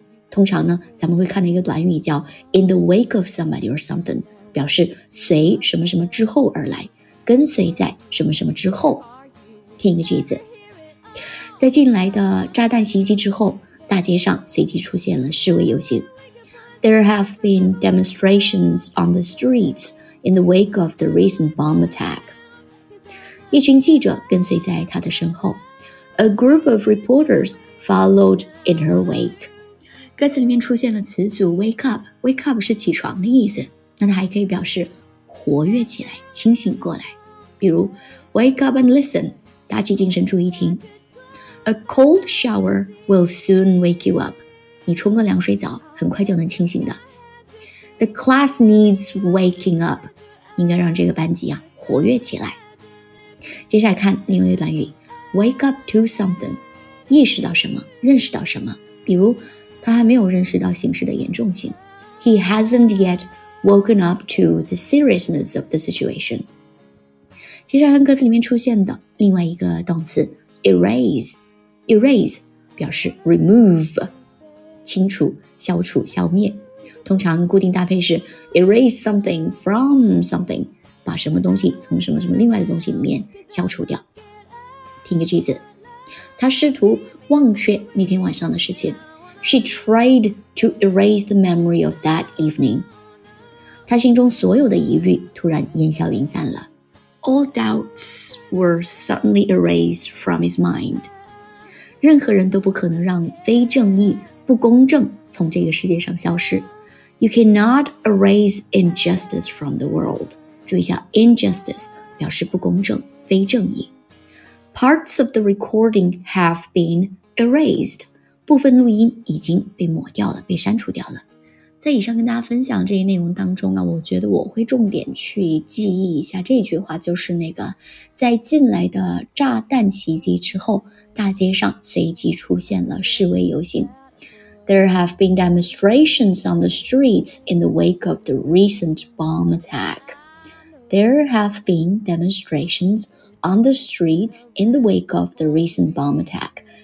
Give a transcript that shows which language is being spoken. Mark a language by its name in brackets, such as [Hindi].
[Chinese] 通常呢，咱们会看到一个短语叫 [English] in the wake of somebody or something， [Chinese] 表示随什么什么之后而来，跟随在什么什么之后。听一个句子，在近来的炸弹袭击之后，大街上随即出现了示威游行。 [English] There have been demonstrations on the streets in the wake of the recent bomb attack. [Chinese] 一群记者跟随在她的身后。 [English] A group of reporters followed in her wake. [Chinese] 歌词里面出现了词组 wake up. Wake up 是起床的意思，那它还可以表示活跃起来，清醒过来。比如 [English] wake up and listen， [Chinese] 打起精神注意听。 [English] A cold shower will soon wake you up. [Chinese] 你冲个凉水澡很快就能清醒的。 [English] The class needs waking up. [Chinese] 应该让这个班级啊活跃起来。接下来看另外一段语， [English] wake up to something， [Chinese] 意识到什么，认识到什么。比如他还没有认识到形势的严重性。 [English] He hasn't yet woken up to the seriousness of the situation. [Chinese] 接下来看歌词里面出现的另外一个动词 erase。 Erase 表示 remove， 清除、消除、消灭。通常固定搭配是 [English] erase something from something， [Chinese] 把什么东西从什么什么另外的东西里面消除掉。听一个句子，他试图忘却那天晚上的事情。 [English] She tried to erase the memory of that evening. [Chinese] 他心中所有的疑虑突然烟消云散了。 [English] All doubts were suddenly erased from his mind. [Chinese] 任何人都不可能让非正义、不公正从这个世界上消失。 [English] You cannot erase injustice from the world. [Chinese] 注意一下 ,injustice 表示不公正、非正义。 [English] Parts of the recording have been erased. [Chinese] 部分录音已经被抹掉了、被删除掉了。在以上跟大家分享这些内容当中啊，我觉得我会重点去记忆一下这句话，就是那个在近来的炸弹袭击之后，大街上随即出现了示威游行。 [English] There have been demonstrations on the streets in the wake of the recent bomb attack. There have been demonstrations on the streets in the wake of the recent bomb attack.